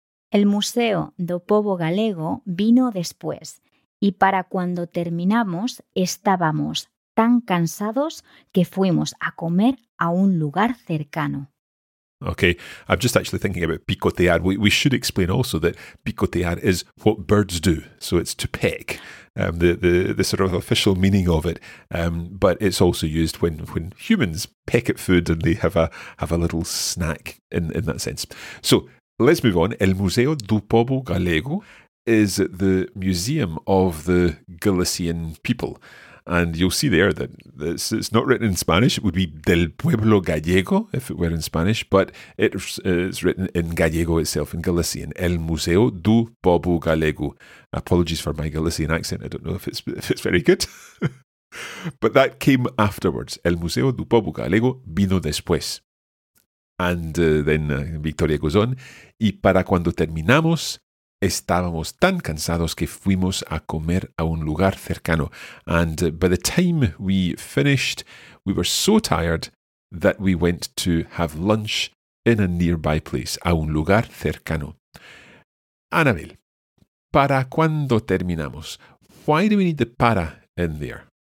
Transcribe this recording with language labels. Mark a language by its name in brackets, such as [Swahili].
[Spanish] El Museo do Povo Galego vino después, y para cuando terminamos estábamos tan cansados que fuimos a comer a un lugar cercano. [English] Okay, I'm just actually thinking about picotear. We should explain also that picotear is what birds do. So it's to peck, the sort of official meaning of it. But it's also used when humans peck at food and they have a little snack in that sense. So let's move on. El Museo do Povo Galego is the museum of the Galician people. And you'll see there that it's not written in Spanish. It would be [Spanish] del pueblo gallego [English] if it were in Spanish, but it's written in gallego itself, in Galician. El Museo do Povo Galego. Apologies for my Galician accent. I don't know if it's very good. But that came afterwards. El Museo do Povo Galego [Spanish] vino después. [English] And then Victoria goes on. [Spanish] Y para cuando terminamos, estábamos tan cansados que fuimos a comer a un lugar cercano. [English] And by the time we finished, we were so tired that we went to have lunch in a nearby place, [Spanish] a un lugar cercano. [English] Anabel, [Spanish] ¿para cuándo terminamos? [English] Why do we need the para in there?